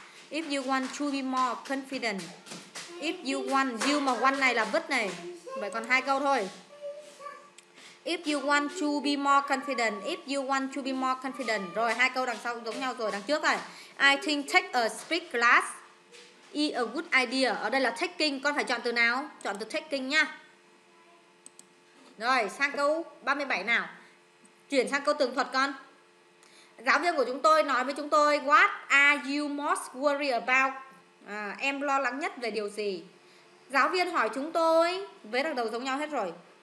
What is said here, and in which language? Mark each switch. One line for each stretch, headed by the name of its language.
English: If you want to be more confident. If you want
Vietnamese: này là vứt này. Vậy còn hai câu thôi.
English: If you want to be more confident.
Vietnamese: Rồi hai câu đằng sau giống nhau rồi, đằng trước rồi.
English: I think take a speak class is a good idea.
Vietnamese: Ở đây là taking, con phải chọn từ nào? Chọn từ taking nha. Rồi, sang câu 37 nào. Chuyển sang câu tường thuật con. Giáo viên của chúng tôi nói với chúng tôi,
English: what are you most worried about?
Vietnamese: Em lo lắng nhất về điều gì? Giáo viên hỏi chúng tôi, với đằng đầu giống nhau hết rồi.